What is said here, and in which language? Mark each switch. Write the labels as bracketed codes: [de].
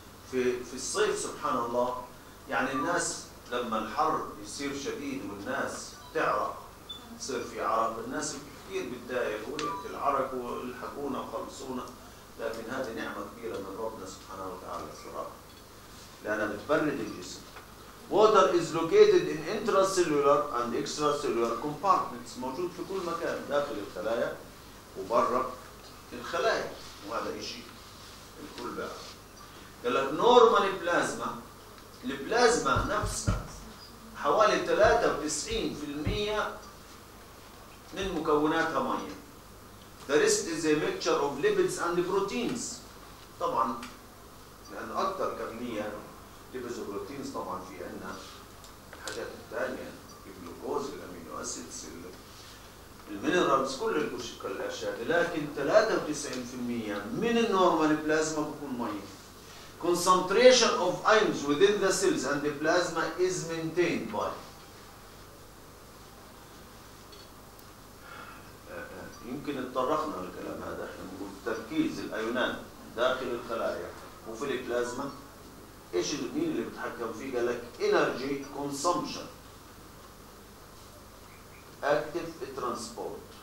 [ar] في الصيف سبحان الله، يعني الناس لما الحر يصير شديد والناس تعرق، يصير في عرق، الناس كثير بتضايق وقت العرق والحقونا وخلصونا، لكن هذه نعمه كبيره من ربنا سبحانه وتعالى صراحه، لانها بتبرد الجسم. [en] Water is located in intracellular and extracellular compartments. [ar] موجود في كل مكان، داخل الخلايا وبرا الخلايا، وهذا شيء الكل بيعرف. قال لك normal plasma. البلازما نفسها حوالي 93% من مكوناتها ميه. [en] The rest is a mixture of lipids and proteins. [ar] طبعا لأن أكثر كمية ليبز وبروتينز، طبعا في عندنا الحاجات الثانيه، الجلوكوز، الامينو اسيدز، المينرالز، كل الاشياء، لكن 93% من النورمال بلازما بكون ميه. [en] Concentration of ions within the cells and the plasma is maintained by. [ar] يمكن تطرقنا للكلام هذا، احنا بنقول تركيز الايونات داخل الخلايا وفي البلازما ايش المين اللي بتحكم فيه؟ قال لك [en] Energy consumption active transport.